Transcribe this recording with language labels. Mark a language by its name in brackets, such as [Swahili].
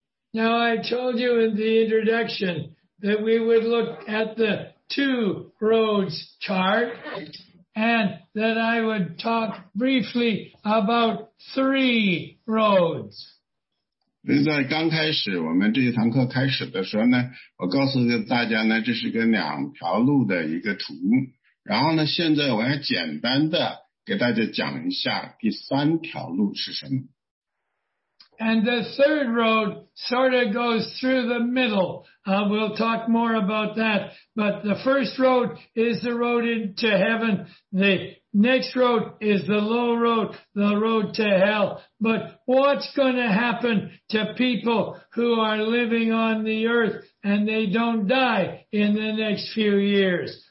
[English] Now, I told you in the introduction that we would look at the two roads chart and that I would talk briefly about three roads. [Chinese] 在刚开始我们这一堂课开始的时候呢，我告诉大家呢，这是个两条路的一个图，然后呢，现在我要简单的给大家讲一下第三条路是什么。 [English] And the third road sort of goes through the middle. We'll talk more about that. But the first road is the road into heaven. The next road is the low road, the road to hell. But what's going to happen to people who are living on the earth and they don't die in the next few years?